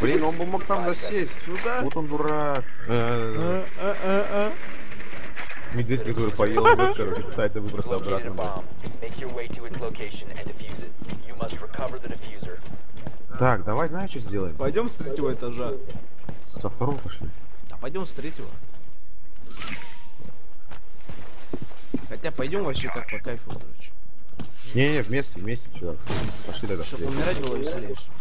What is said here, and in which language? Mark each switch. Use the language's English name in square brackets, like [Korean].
[Russian] Блин, он бы мог там засесть. Куда? Вот он дурак. Медведь, который поел, короче, пытается выбраться обратно. [English] Make your way to its location and defuse it. You must recover the defuser. [Russian] Так, давай, знаешь, что сделаем? Пойдем с третьего этажа. Со второго пошли. Да пойдем с третьего. Хотя пойдем вообще так по кайфу, короче. Не-не, вместе, чувак. Пошли тогда. Чтобы умирать было веселее.